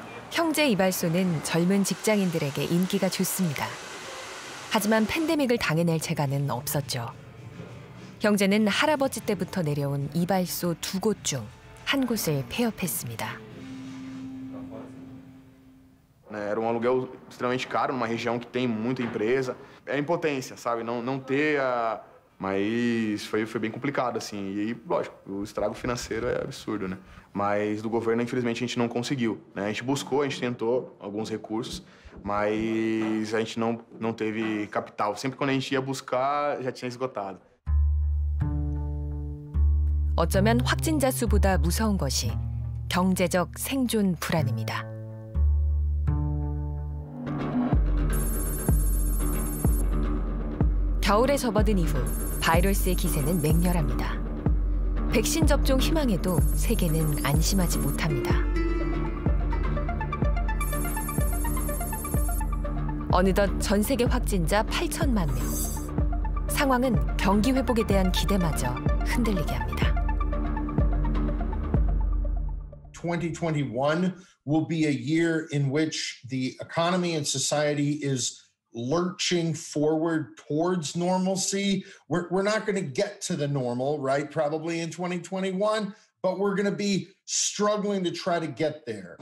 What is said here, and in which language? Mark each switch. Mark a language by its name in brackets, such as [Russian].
[Korean] 형제 이발소는 젊은 직장인들에게 인기가 좋습니다. 하지만 팬데믹을 당해낼 재간은 없었죠. 형제는 할아버지 때부터 내려온 이발소 두 곳 중 한 곳을 폐업했습니다. [Portuguese] Era um aluguel extremamente caro numa região que tem muita empresa. É impotência, sabe? Não ter a... Mas foi bem complicado, assim. E aí, lógico, o estrago financeiro é absurdo, né? Mas do governo, infelizmente, a gente não conseguiu. Né? A gente buscou, a gente tentou alguns recursos, mas a gente não teve capital. Sempre quando a gente ia buscar, já tinha esgotado. [Korean] 어쩌면 확진자 수보다 무서운 것이 경제적 생존 불안입니다. 겨울에 접어든 이후 바이러스의 기세는 맹렬합니다. 백신 접종 희망에도 세계는 안심하지 못합니다. 어느덧 전 세계 확진자 8천만 명. 상황은 경기 회복에 대한 기대마저 흔들리게 합니다. [English] 2021 will be a year in which the economy and society is lurching forward towards normalcy. We're not going to get to the normal, right? Probably in 2021, but we're going to be struggling to try to get there.